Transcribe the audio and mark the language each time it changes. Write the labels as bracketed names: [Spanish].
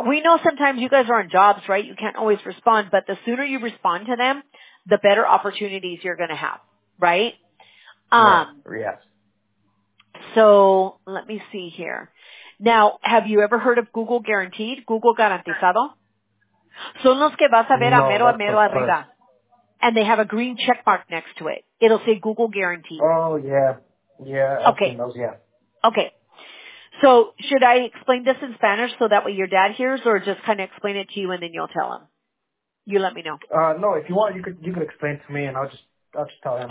[English] We know sometimes you guys are on jobs, right? You can't always respond, but the sooner you respond to them, the better opportunities you're going to have, right? Yes. So let me see here. Now, have you ever heard of Google Guaranteed? [Spanish] Google Garantizado? Son los que vas a ver a mero arriba. [English] And they have a green check mark next to it. It'll say Google Guaranteed. Oh, yeah. Okay. Okay. So, should I explain this in Spanish so that way your dad hears, or just kind of explain it to you and then you'll tell him? You let me know. No, if you want, you could explain to me and I'll just tell him.